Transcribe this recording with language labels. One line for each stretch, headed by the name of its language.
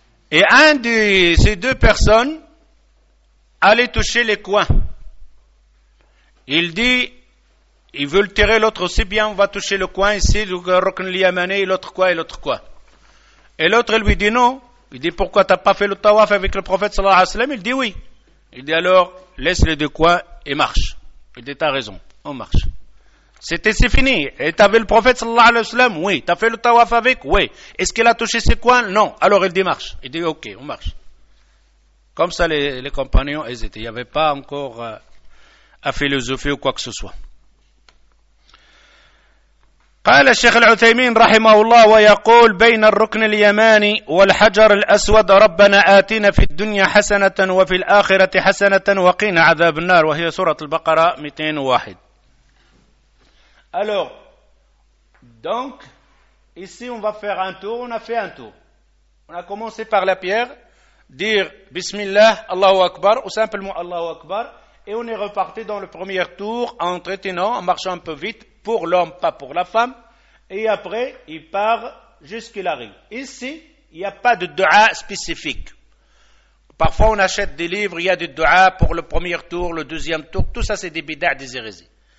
French: et un de ces deux personnes allait toucher les coins il dit il veut le tirer l'autre aussi bien on va toucher le coin ici le rukn al-yamani l'autre coin et l'autre coin Et l'autre lui dit non. Il dit pourquoi tu n'as pas fait le tawaf avec le prophète sallallahu alayhi wa sallam? Il dit oui. Il dit alors laisse les deux coins et marche. Il dit t'as raison, on marche. C'était c'est fini. Et tu avais le prophète sallallahu alayhi wa sallam? Oui. Tu as fait le tawaf avec? Oui. Est-ce qu'il a touché ses coins? Non. Alors il dit marche. Il dit ok, on marche. Comme ça les compagnons hésitaient. Il n'y avait pas encore à philosopher ou quoi que ce soit.
Arabic: قال الشيخ العثيمين رحمه الله ويقول بين الركن اليماني والحجر الأسود ربنا آتنا في الدنيا حسنة وفي الآخرة حسنة وقينا عذاب النار وهي سورة البقرة 201
French: Alors, donc, ici on va faire un tour, on a fait un tour. On a commencé par la pierre, dire Bismillah, Allahu Akbar, ou simplement Allahu Akbar, et on est reparti dans le premier tour en trottinant, en marchant un peu vite, pour l'homme, pas pour la femme, et après, il part jusqu'à la rue. Ici, il n'y a pas de dua spécifique. Parfois, on achète des livres, il y a des dua pour le premier tour, le deuxième tour, tout ça, c'est des bid'a, des hérésies.